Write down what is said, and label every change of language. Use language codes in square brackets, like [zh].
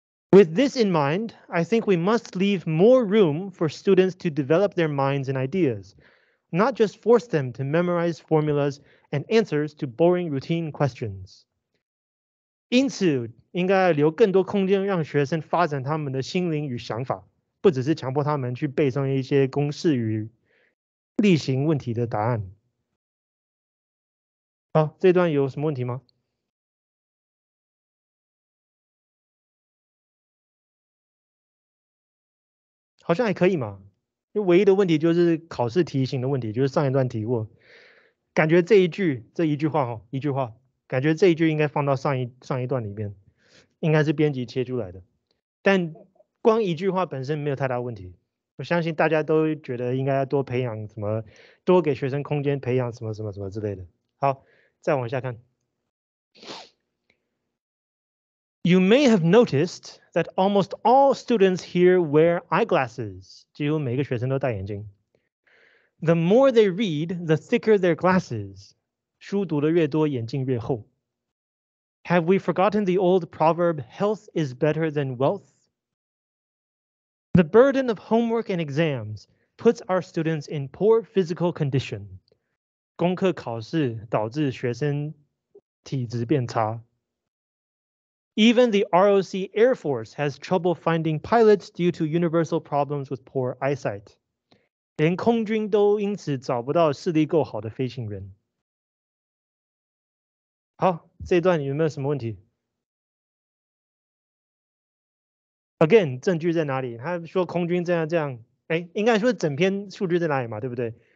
[en] With this in mind, I think we must leave more room for students to develop their minds and ideas, not just force them to memorize formulas and answers to boring routine questions. [zh] 因此，应该留更多空间让学生发展他们的心灵与想法，不只是强迫他们去背诵一些公式与例行问题的答案。好，这段有什么问题吗？好像还可以嘛，就唯一的问题就是考试题型的问题，就是上一段题过，感觉这一句话感觉这一句应该放到上一段里面，应该是编辑切出来的，但光一句话本身没有太大问题，我相信大家都觉得应该要多培养什么，多给学生空间培养什么什么什么之类的。好，再往下看。 [en] You may have noticed that almost all students here wear eyeglasses. [zh] 几乎每个学生都戴眼镜。 [en] The more they read, the thicker their glasses. [zh] 书读得越多，眼镜越厚。 [en] Have we forgotten the old proverb, health is better than wealth? The burden of homework and exams puts our students in poor physical condition. [zh] 功课考试导致学生体质变差。 [en] Even the ROC Air Force has trouble finding pilots due to universal problems with poor eyesight. [zh] 连空军都因此找不到视力够好的飞行员。好，这段有没有什么问题？ Again, 证据在哪里？他说空军这样这样，哎，应该说整篇数据在哪里嘛，对不对？